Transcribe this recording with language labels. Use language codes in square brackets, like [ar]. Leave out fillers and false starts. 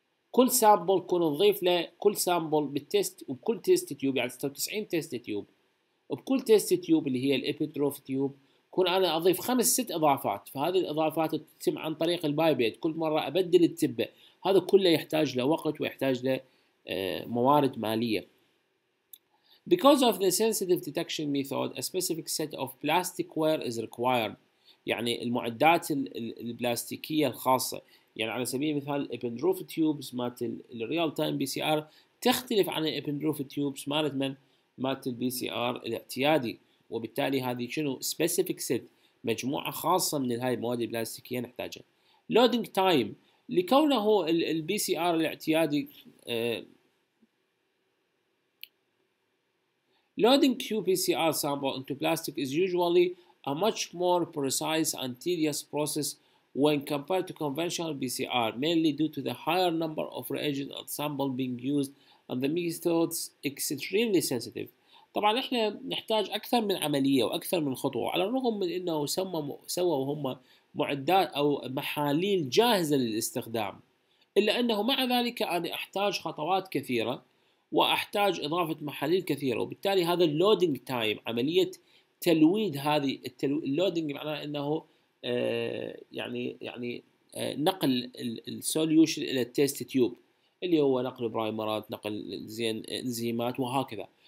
[ar] كل سامبل كون نضيف له كل سامبل بالتيست وبكل تيست تيوب، يعني 96 تيست تيوب، وبكل تيست تيوب اللي هي الابيتروف تيوب كون انا اضيف خمس ست اضافات، فهذه الاضافات تتم عن طريق البايبيت، كل مره ابدل التبه، هذا كله يحتاج لوقت ويحتاج لموارد ماليه. [en] Because of the sensitive detection method, a specific set of plasticware is required. [ar] يعني المعدات البلاستيكيه الخاصه، يعني على سبيل المثال الابندروف تيوبس مالت الريال تايم بي سي ار تختلف عن الابندروف تيوبس مالت من مالت البي سي ار الاعتيادي. وبالتالي هذه شنو specific set، مجموعة خاصة من هاي المواد البلاستيكية نحتاجها. loading time، لكونه البي سي ار الاعتيادي [en] Loading qPCR sample into plastic is usually a much more precise and tedious process when compared to conventional PCR, mainly due to the higher number of reagents and sample being used, and the methods extremely sensitive. [ar] طبعا احنا نحتاج اكثر من عمليه واكثر من خطوه، على الرغم من انه سووا هم معدات او محاليل جاهزه للاستخدام، الا انه مع ذلك انا احتاج خطوات كثيره واحتاج اضافه محاليل كثيره، وبالتالي هذا اللودنج تايم، عمليه تلويد هذه اللودنج معناه انه يعني نقل السوليوشن الى التيست تيوب اللي هو نقل برايمرات، نقل زين انزيمات وهكذا.